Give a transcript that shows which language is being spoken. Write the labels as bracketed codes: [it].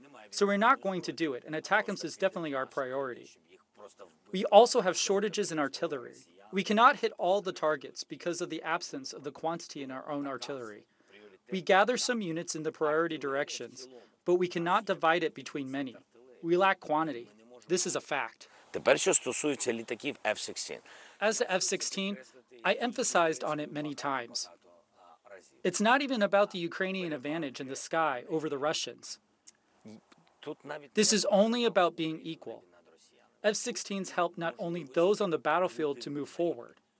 [en] So we're not going to do it, and ATACMS is definitely our priority. We also have shortages in artillery. We cannot hit all the targets because of the absence of the quantity in our own artillery. We gather some units in the priority directions, but we cannot divide it between many. We lack quantity. This is a fact. [uk] Тепер, стосується літаків F-16. [en] As the F-16, I emphasized on it many times. It's not even about the Ukrainian advantage in the sky over the Russians. This is only about being equal. F-16s help not only those on the battlefield to move forward.